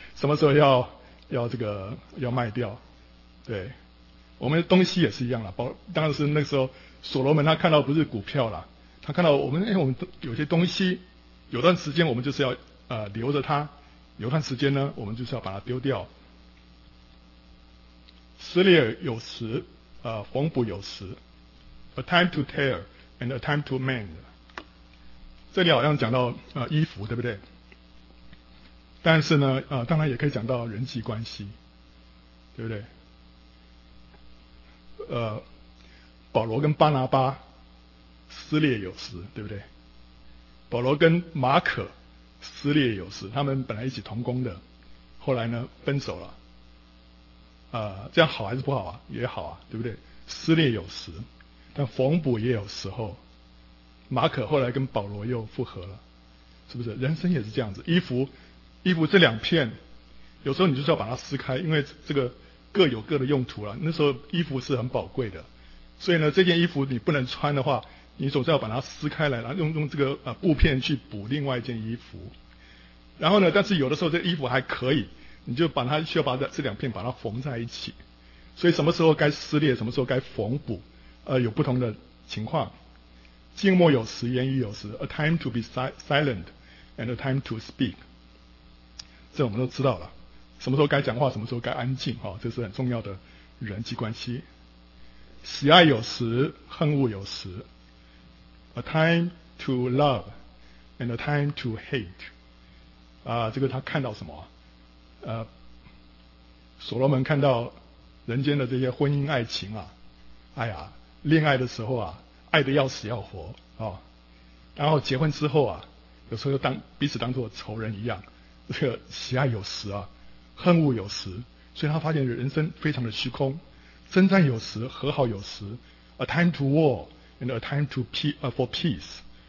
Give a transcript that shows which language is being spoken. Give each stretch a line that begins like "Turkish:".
Chinese: 什么时候要卖掉？对，我们东西也是一样了。当时那时候所罗门他看到不是股票了，他看到我们有些东西，有段时间我们就是要留着它。有段时间呢，我们就是要把它丢掉。失裂有时，缝补有时 ，
English: a time to tear and a time to mend。
Chinese: 这里好像讲到衣服，对不对？但是呢，当然也可以讲到人际关系，对不对？保罗跟巴拿巴撕裂有时，对不对？保罗跟马可撕裂有时，他们本来一起同工的，后来呢分手了。这样好还是不好啊？也好啊，对不对？撕裂有时，但缝补也有时候。马可后来跟保罗又复合了，是不是？人生也是这样子，衣服这两片，有时候你就是要把它撕开，因为这个各有各的用途了。那时候衣服是很宝贵的，所以呢，这件衣服你不能穿的话，你总是要把它撕开来，然后用这个布片去补另外一件衣服。然后呢，但是有的时候这衣服还可以，你就把它需要把这两片把它缝在一起。所以什么时候该撕裂，什么时候该缝补，有不同的情况。静默有时，言语有时 ，
English: a time to be silent and a time to speak。
Chinese: 这我们都知道了，什么时候该讲话，什么时候该安静，哈，这是很重要的人际关系。喜爱有时，恨恶有时 ，
English: a time to love and a time to hate。
Chinese: 这个他看到什么？所罗门看到人间的这些婚姻爱情啊，哎呀，恋爱的时候啊，爱得要死要活啊，然后结婚之后啊，有时候当彼此当作仇人一样，这个喜爱有时啊，恨恶有时，所以他发现人生非常的虚空，征战有时，和好有时 ，
English: a time to war and a time to for peace。